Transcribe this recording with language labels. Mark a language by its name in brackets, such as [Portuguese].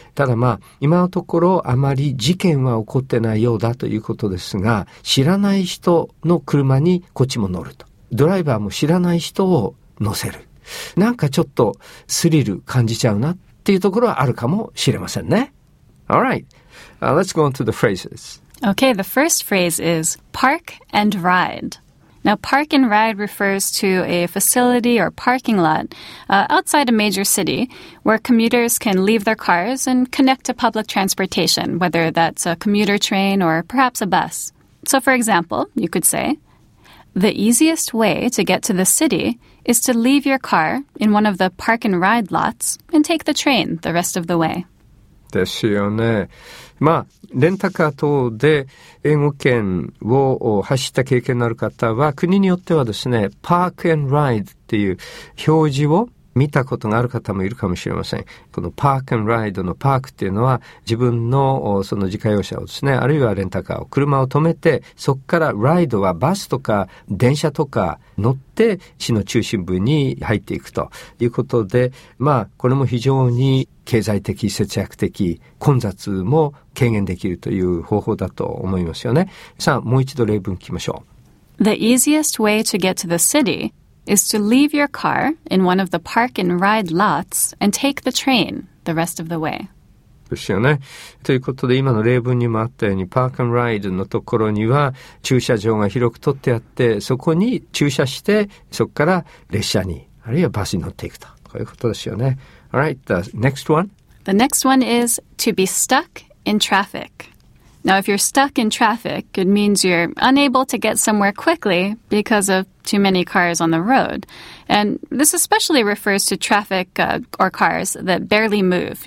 [Japanese] ただまあ今のところあまり事件は起こってないようだということですが、知らない人の車にこっちも乗ると、ドライバーも知らない人を乗せる、なんかちょっとスリル感じちゃうなっていうところはあるかもしれませんね。 [English] All right. Let's go on to the phrases. Okay, the first phrase is park and ride. Now, park and ride refers to a facility or parking lot outside a major city where commuters can leave their cars and connect to public transportation, whether that's a commuter train or perhaps a bus. So, for example, you could say, the easiest way to get to the city is to leave your car in one of the park and ride lots and take the train the rest of the way. [Japanese] ですよね。まあレンタカー等で英語圏を走った経験のある方は、国によってはですね、パークアンドライドっていう表示を見たことがある方もいるかもしれません。このパークアンドライドのパークっていうのは、自分のその自家用車をですね、あるいはレンタカーを、車を止めて、そこからライドはバスとか電車とか乗って市の中心部に入っていくということで、まあこれも非常に経済的、節約的、混雑も軽減できるという方法だと思いますよね。さあ、もう一度例文聞きましょう。 [English] The easiest way to get to the city is to leave your car in one of the park and ride lots and take the train the rest of the way. [Japanese] ですよね。ということで、今の例文にもあったように、パークンライドのところには駐車場が広く取ってあって、そこに駐車して、そこから列車に、あるいはバスに乗っていくと。こういうことですよね。 [English] All right, the next one. The next one is to be stuck in traffic. Now, if you're stuck in traffic, it means you're unable to get somewhere quickly because of too many cars on the road. And this especially refers to traffic, or cars that barely move.